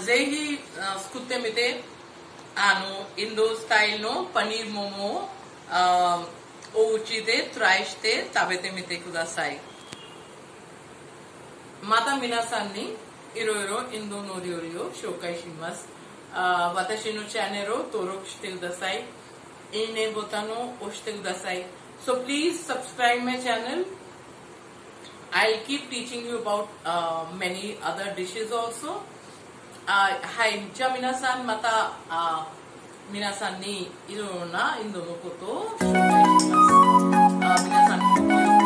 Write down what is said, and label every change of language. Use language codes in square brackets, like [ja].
[ja] ぜひ作ってみて、インドスタイルのパニーモモをお家でトライして食べてみてください。また皆さんにいろいろインドの料理を紹介します。私のチャンネルを登録してください。いいねボタンを押してください。 [en] So please subscribe my channel. I'll keep teaching you about many other dishes also. [ja] はい、じゃあ皆さんまた皆さんにいろいろなインドのことを紹介します。皆さん